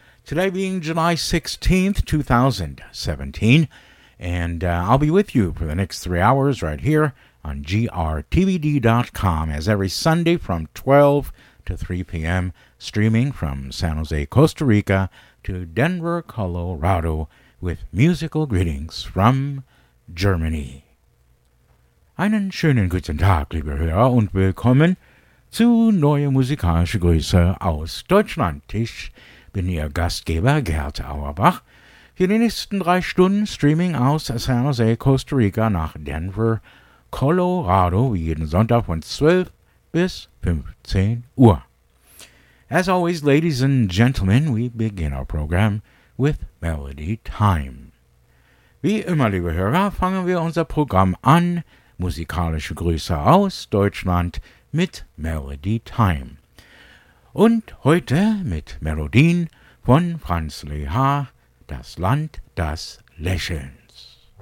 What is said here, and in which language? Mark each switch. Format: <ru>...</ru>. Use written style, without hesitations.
<en>Today being July 16th, 2017, and I'll be with you for the next 3 hours right here on grtvd.com, as every Sunday from 12 to 3 p.m., streaming from San Jose, Costa Rica to Denver, Colorado, with Musical Greetings from Germany.</en> <de>Einen schönen guten Tag, liebe Hörer, und willkommen zu Neue Musikalische Grüße aus Deutschland. Ich bin Ihr Gastgeber, Gerd Auerbach. Für die nächsten 3 Stunden Streaming aus San Jose, Costa Rica nach Denver, Colorado, jeden Sonntag von 12 bis 15 Uhr.</de> <en>As always, ladies and gentlemen, we begin our program with Melody Time.</en> <de>Wie immer, liebe Hörer, fangen wir unser Programm an. Musikalische Grüße aus Deutschland mit Melody Time. Und heute mit Melodien von Franz Leha, Das Land des Lächelns.</de>